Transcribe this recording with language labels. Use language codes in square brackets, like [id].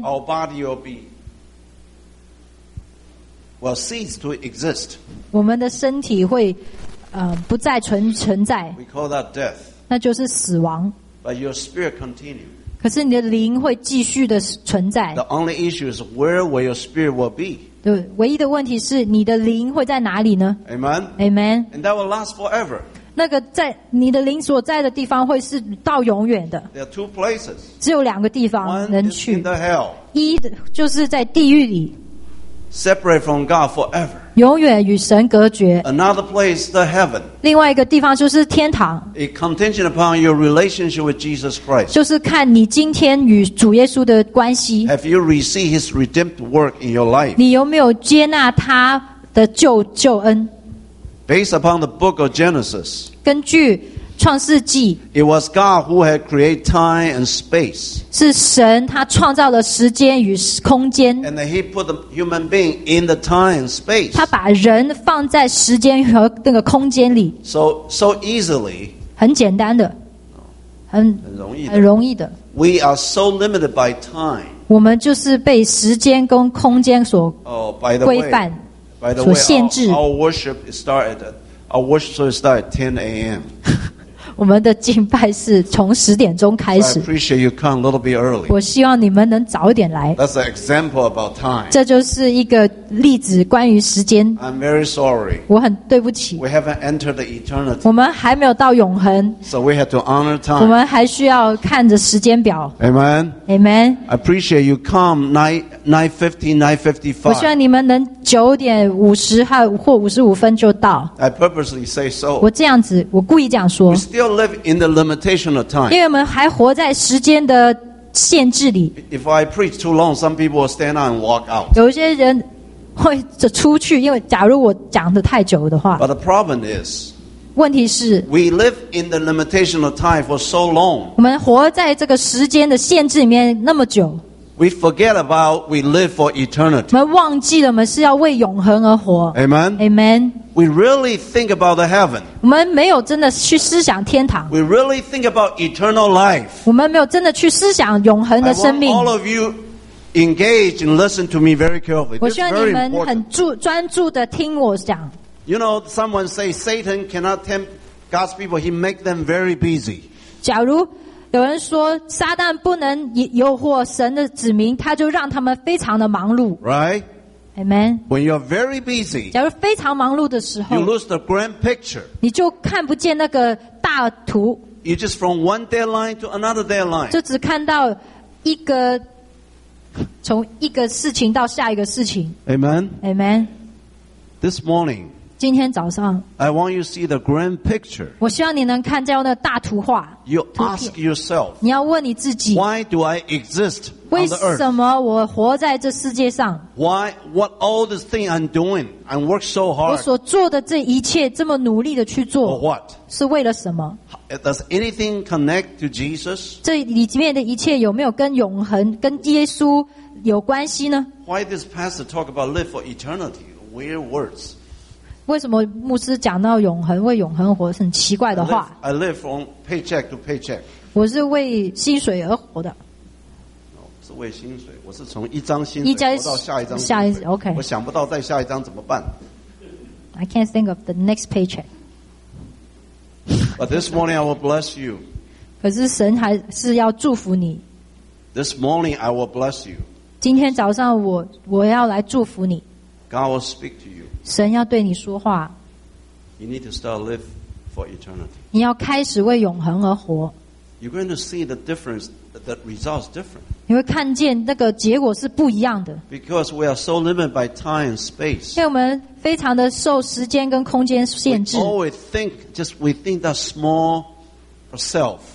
[en] our body will be will cease to exist. [zh] 我们的身体会不再存在。 [en] We call that death. [zh] 那就是死亡。 [en] But your spirit continues. [zh] 可是你的灵会继续的存在。 [en] The only issue is where will your spirit will be. [zh] 对，唯一的问题是你的灵会在哪里呢 [en] ？Amen. Amen. And that will last forever. [zh] 那个在你的灵所在的地方会是到永远的。 [en] There are two places. [zh] 只有两个地方能去。 [en] One is in the hell. [zh] 一就是在地狱里。 [en] Separate from God forever. [zh] 永远与神隔绝。 [en] Another place, the heaven. [zh] 另外一个地方就是天堂。 [en] A contingent upon your relationship with Jesus Christ. [zh] 就是看你今天与主耶稣的关系。 [en] Have you received His redemptive work in your life? [zh] 你有没有接纳他的救恩？ [en] Based upon the book of Genesis, [zh] 根据创世纪 [en] it was God who had created time and space. [zh] 是神他创造了时间与空间 [en] and he put the human being in the time and space. [zh] 他把人放在时间和那个空间里 [en] so easily, [zh] 很简单的很容易的 [en] we are so limited by time. [zh] 我们就是被时间跟空间所规范。 [en] By the way, our worship started at 10 a.m. [zh] 我们的敬拜是从十点钟开始。 [en] So、I appreciate you come a little bit early. [zh] 我希望你们能早点来。 [en] That's an example about time. [zh] 这就是一个例子关于时间。 [en] I'm very sorry. [zh] 我很对不起。 [en] We haven't entered the eternity. [zh] 我们还没有到永恒。 [en] So we have to honor time. [zh] 我们还需要看着时间表。 [en] Amen. Amen. I appreciate you come 9:50, 9:55. [zh] 我希望你们能9:50或55分就到。 [en] I purposely say so. [zh] 我这样子，我故意这样说。 [en] We still live in the limitation of time. [zh] 因为我们还活在时间的限制里。 [en] If I preach too long, some people will stand up and walk out. [zh] 有些人会出去，因为假如我讲的太久的话。 [en] But the problem is. [zh] 问题是。 [en] We live in the limitation of time for so long. [zh] 我们活在这个时间的限制里面那么久。 [en] We forget about we live for eternity. [zh] 我们忘记了我们是要为永恒而活。 [en] Amen. Amen. We really think about the heaven. [zh] 我们没有真的去思想天堂。 [en] We really think about eternal life. [zh] 我们没有真的去思想永恒的生命。 [en] I want all of you engage and listen to me very carefully. [zh] 我希望你们很专注的听我讲。 [en] You know, someone say Satan cannot tempt God's people. He make them very busy. [zh] 假如有人说撒旦不能诱惑神的子民，他就让他们非常的忙碌。 [en] Right, Amen. When you're very busy, [zh] 假如非常忙碌的时候 [en] ，you lose the grand picture. [zh] 你就看不见那个大图。 [en] You just from one deadline to another deadline. [zh] 就只看到一个从一个事情到下一个事情。 [en] Amen. Amen. This morning. [zh] 今天早上 [en] I want you to see the grand picture. [zh] 我希望你能看见那大图画。 [en] You ask yourself, [zh] 你要问你自己 [en] Why do I exist on the earth? [zh] 为什么我活在这世界上 [en] Why, what all this thing I'm doing? I work so hard. [zh] 我所做的这一切这么努力的去做 [en] For what? [zh] 是为了什么 [en] Does anything connect to Jesus? [zh] 这里面的一切有没有跟永恒跟耶稣有关系呢 [en] Why this pastor talk about live for eternity? Weird words. [zh] 为什么牧师讲到永恒为永恒活是很奇怪的话。 [en] I live from paycheck to paycheck. [zh] 我是为薪水而活的。是为薪水，我是从一张薪水活到下一张薪水。下一 OK，我想不到再下一张怎么办。 [en] I can't think of the next paycheck. But this morning I will bless you. [zh] 可是神还是要祝福你。 [en] This morning I will bless you. [zh] 今天早上我要来祝福你。 [en] God will speak to you. [zh] 神要对你说话。 [en] You need to start live for eternity. [zh] 你要开始为永恒而活。 [en] You're going to see the difference, the results different. [zh] 你会看见那个结果是不一样的。 [en] Because we are so limited by time and space. [zh] 因为我们非常的受时间跟空间限制。 [en] We always think just we think that small self.